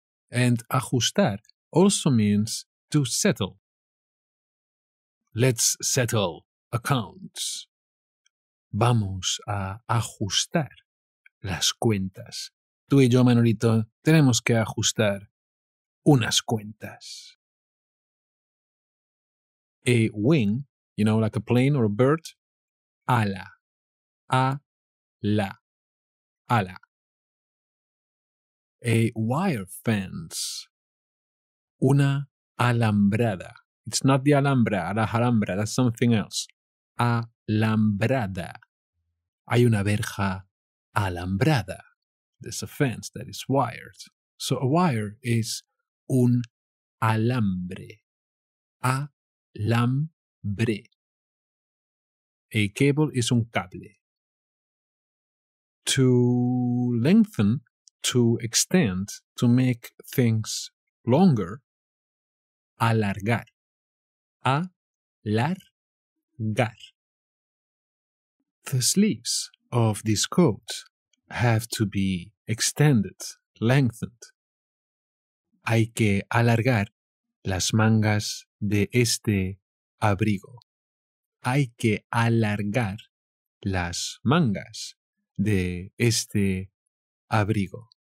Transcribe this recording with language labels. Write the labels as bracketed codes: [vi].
[en] And ajustar also means to settle. Let's settle accounts. [es] Vamos a ajustar las cuentas. Tú y yo, Manolito, tenemos que ajustar unas cuentas. [en] A wing, you know, like a plane or a bird. [es] Ala. A-la. Ala. [en] A wire fence. Una alambrada. It's not the alhambra, la alhambra, that's something else. [es] Alambrada. Hay una verja alambrada. [en] There's a fence that is wired. So a wire is un alambre. Alambre. A cable is un cable. To lengthen, to extend, to make things longer, alargar. [es] Alargar. [en] The sleeves of this coat have to be extended, lengthened. [es] Hay que alargar las mangas de este abrigo. Hay que alargar las mangas de este abrigo.